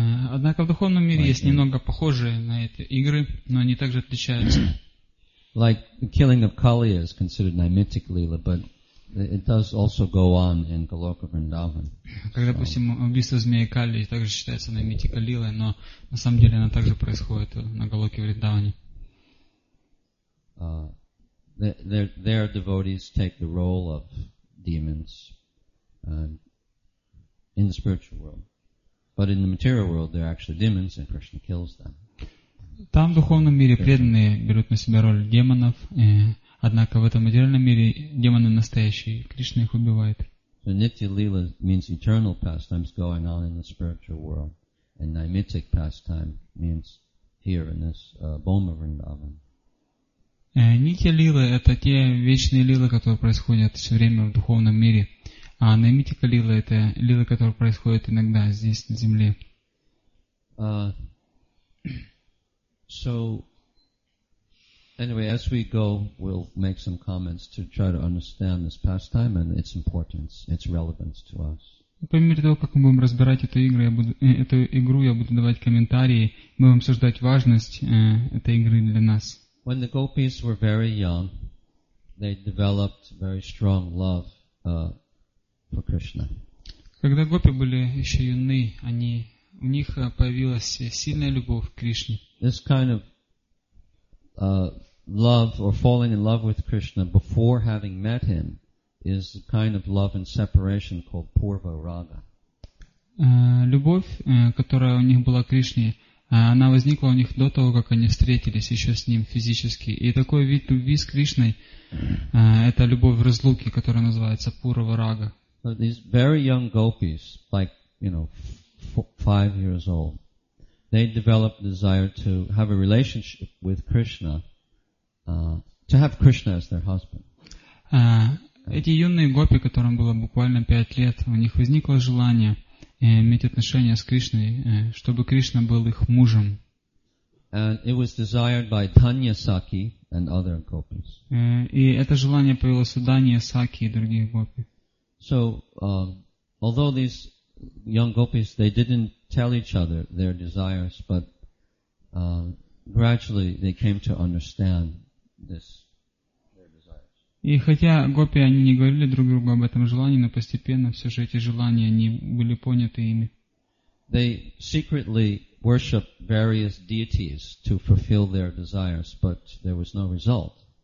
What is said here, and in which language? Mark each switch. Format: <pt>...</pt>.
<ru>Однако в духовном мире есть немного похожие на эти игры, но они также отличаются.</ru> <en>Like the killing of Kaliya is considered Naimittic Leela, but it does also go on in Goloka Vrindavan.</en> <ru>Когда, допустим, убийство змеи Кали также считается Наймитика Лилой, но на самом деле она также происходит на Голоке Вриндаване.</ru> <en>Their devotees take the role of demons in the spiritual world. But in the material world they're actually demons and Krishna kills them.</en> <ru>Там, в духовном мире, преданные берут на себя роль демонов, однако в этом материальном мире демоны настоящие, Кришна их убивает.</ru> <en>So, Nitya Leela means eternal pastimes going on in the spiritual world, and Naimittic pastime means here in this Boma Vrindavan.</en> <ru>Нитья Лила — это те вечные лилы, которые происходят все время в духовном мире, а Наимитика Лила — это лилы, которые происходят иногда здесь, на земле.</ru> <en>So, anyway, as we go, we'll make some comments to try to understand this pastime and its importance, its relevance to us.</en> <ru>По мере того, как мы будем разбирать эту игру, я буду давать комментарии, мы будем обсуждать важность этой игры для нас.</ru> <en>When the gopis were very young, they developed very strong love for Krishna.</en> <ru>Когда гопи были еще юны, они у них появилась сильная любовь к Кришне.</ru> <en>This kind of love or falling in love with Krishna before having met him is a kind of love and separation called Purva Raga.</en> <ru>Любовь, которая у них была к Кришне, она возникла у них до того, как они встретились еще с ним физически. И такой вид любви с Кришной — это любовь разлуки, которая называется Пурава Рага.</ru> <en>So these very young gopis, like, you know, 5 years old, they develop desire to have a relationship with Krishna, to have Krishna as their husband.</en> <ru>Эти юные гопи, которым было буквально 5 лет, у них возникло желание иметь отношения с Кришной, чтобы Кришна был их мужем.</ru> <en>And it was desired by Tanya Saki and other gopis.</en> <ru>И это желание появилось у Данья Саки и других гопи.</ru> <en>So, although these young gopis, they didn't tell each other their desires, but gradually they came to understand this.</en> <ru>И хотя гопи, они не говорили друг другу об этом желании, но постепенно все же эти желания, они были поняты ими.</ru> <en>They secretly worshipped various deities to fulfill their desires, but there was no result.</en>